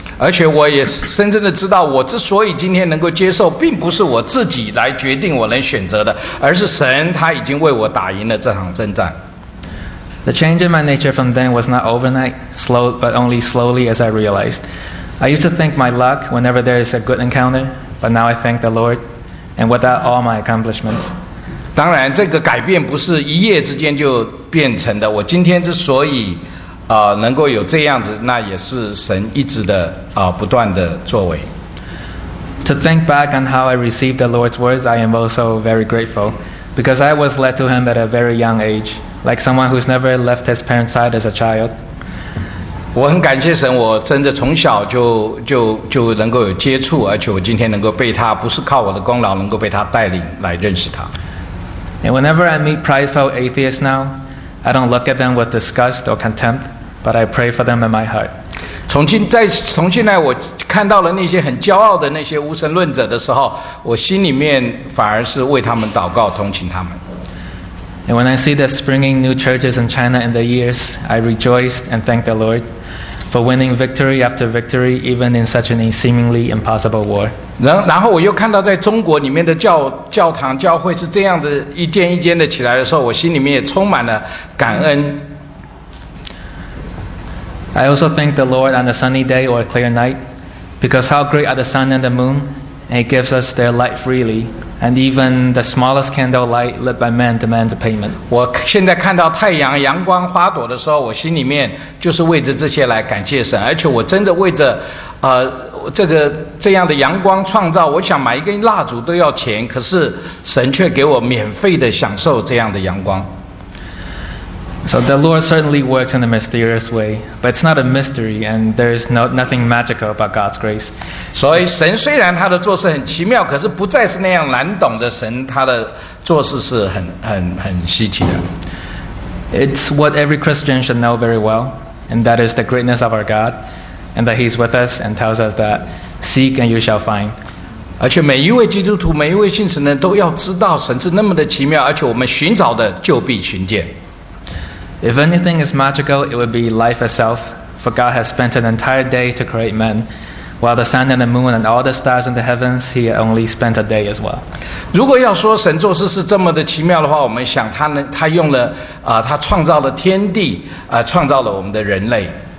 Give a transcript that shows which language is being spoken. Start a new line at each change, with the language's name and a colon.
Chinese: 而且我也深深的知道，我之所以今天能够接受，并不是我自己来决定我能选择的，而是神他已经为我打赢了这场征战。
English: The change in my nature from then was not overnight, slow, but only slowly as I realized. I used to thank my luck whenever there is a good encounter, but now I thank the Lord, and without all my accomplishments.
Chinese: 当然，这个改变不是一夜之间就变成的。我今天之所以能够有这样子，那也是神一直的不断的作为。
English: To think back on how I received the Lord's words, I am also very grateful because I was led to Him at a very young age, like someone who's never left his parents' side as a child.
Chinese: 我很感谢神，我真的从小就能够有接触，而且我今天能够被他，不是靠我的功劳，能够被他带领来认识他。
English: And whenever I meet prideful atheists now, I don't look at them with disgust or contempt, but I pray for them in my heart.
Chinese: 从现在我看到了那些很骄傲的那些无神论者的时候，我心里面反而是为他们祷告，同情他们。
English: And when I see the springing new churches in China in the years, I rejoiced and thanked the Lord for winning victory after victory, even in such a seemingly impossible war.
Chinese: 然后我又看到在中国里面的教堂教会是这样的一间一间的起来的时候，我心里面也充满了感恩。
English: I also thank the Lord on a sunny day or a clear night, because how great are the sun and the moon, and He gives us their light freely. And even the smallest candlelight lit by man demands a payment.
Chinese: 我现在看到太阳、阳光、花朵的时候，我心里面就是为着这些来感谢神。而且我真的为着，这样的阳光创造，我想买一根蜡烛都要钱，可是神却给我免费的享受这样的阳光。
English: So the Lord certainly works in a mysterious way, but it's not a mystery, and there's nothing magical about God's grace.
Chinese: 所以神虽然他的做事很奇妙，可是不再是那样难懂的神，他的做事是很稀奇的。
English: It's what every Christian should know very well, and that is the greatness of our God, and that He's with us and tells us that seek and you shall find.
Chinese: 而且每一位基督徒、每一位信徒呢，都要知道神是那么的奇妙，而且我们寻找的就必寻见。
English: If anything is magical, it would be life itself, for God has spent an entire day to create men, while the sun and the moon and all the stars in the heavens, He only spent a day as well.
Chinese: 如果要说神做事是这么的奇妙的话，我们想他用了他创造了天地，创造了我们的人类。